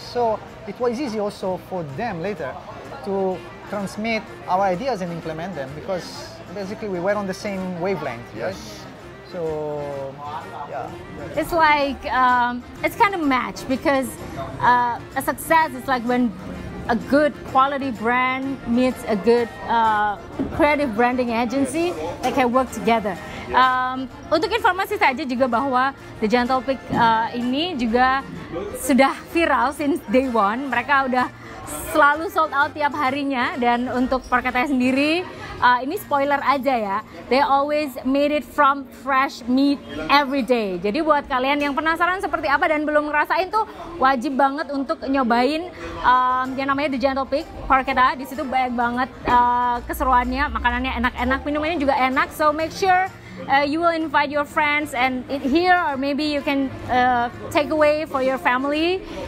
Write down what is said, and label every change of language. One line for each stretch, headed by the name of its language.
English: So it was easy also for them later to transmit our ideas and implement them, because basically we were on the same wavelength, So, yeah. It's like, it's kind of match, because a success is like when a good quality brand meets a good creative branding agency that can work together.
Indonesian: Untuk informasi saja juga bahwa The Gentlepig ini juga sudah viral
English: since day one.
Indonesian: Mereka udah selalu sold out tiap harinya, dan untuk porchetta sendiri, ini spoiler aja ya,
English: they always made it from fresh meat every day.
Indonesian: Jadi buat kalian yang penasaran seperti apa dan belum ngerasain tuh, wajib banget untuk nyobain yang namanya The Gentlepig porchetta. Di situ banyak banget keseruannya, makanannya enak-enak, minumannya juga enak.
English: So make sure you will invite your friends and eat here, or maybe you can take away for your family.